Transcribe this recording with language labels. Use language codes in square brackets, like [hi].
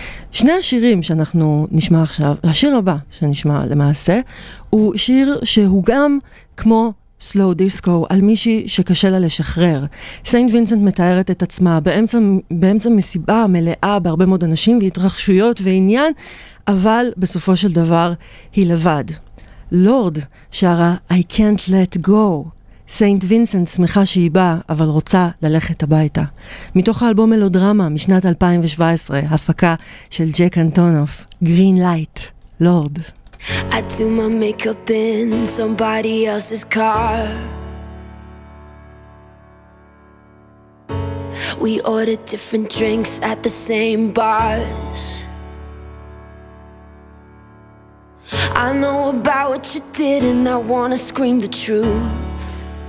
[he] שני השירים שאנחנו נשמע עכשיו, השיר הבא שנשמע למעשה, הוא שיר שהוא גם כמו סלו דיסקו על מישהי שקשה לה לשחרר. סיינט וינסנט מתארת את עצמה באמצע מסיבה מלאה בהרבה מאוד אנשים והתרחשויות ועניין, אבל בסופו של דבר היא לבד. לורד שרה [en] I can't let go. [he] סיינט וינסנט שמחה שהיא באה אבל רוצה ללכת הביתה. מתוך האלבום מלודרמה משנת 2017, הפקה של ג'ק אנטונוף, Green Light, לורד. [en] I do my makeup in somebody else's car. We order different drinks at the same bars. I know about what you did and I wanna scream the truth.